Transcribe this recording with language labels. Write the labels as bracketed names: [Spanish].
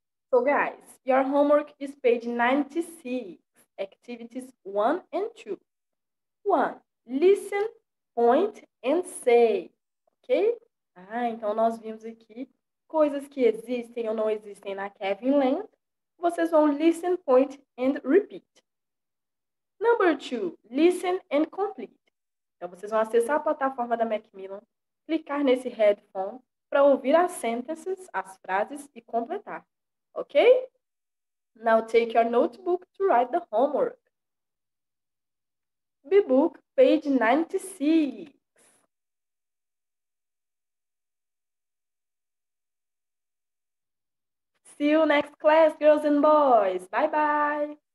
[English] So, guys, your homework is page 96, activities 1 and 2. 1. Listen, point, and say. Ok? [Portuguese] Ah, então nós vimos aqui coisas que existem ou não existem na Kevin Land. Vocês vão [English] listen, point, and repeat. Number 2, listen and complete. [Portuguese] Então vocês vão acessar a plataforma da Macmillan, clicar nesse headphone para ouvir as sentences, as frases e completar. [English] Ok? Now take your notebook to write the homework. B book, page 96. See you next class, girls and boys. Bye-bye.